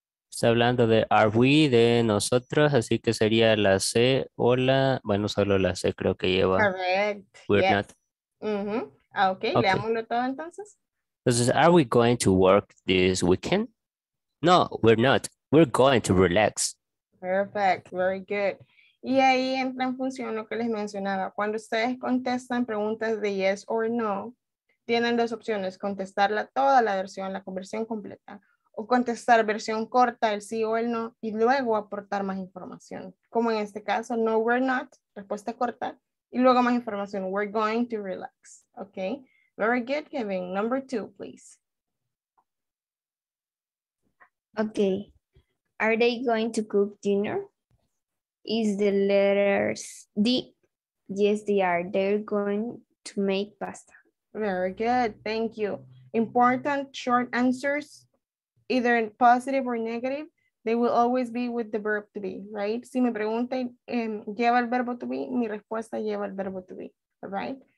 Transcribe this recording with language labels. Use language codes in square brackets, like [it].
[es] Está hablando de [en] are we, [es] de nosotros, así que sería la C o la, bueno, solo la C creo que lleva. [en] Correct. We're yes. Not. [es] Mm-hmm. Ah, okay. Leámoslo todo entonces. Entonces, [en] are we going to work this weekend? No, we're not. We're going to relax. Perfect. Very good. [es] Y ahí entra en función lo que les mencionaba. Cuando ustedes contestan preguntas de [en] yes or no, [es] tienen dos opciones. Contestarla toda la versión, la conversión completa. O contestar versión corta, el sí o el no, y luego aportar más información. Como en este caso, [en] no, we're not, [es] respuesta corta, y luego más información, [en] we're going to relax. Okay, very good, Kevin. Number two, please. Okay, are they going to cook dinner? Is the letter D? Yes, they are. They're going to make pasta. Very good, thank you. Important short answers. Either positive or negative, they will always be with the verb to be, right? [es] Si me preguntan, ¿lleva el verbo to be? Mi respuesta lleva el verbo to be, [en] all right?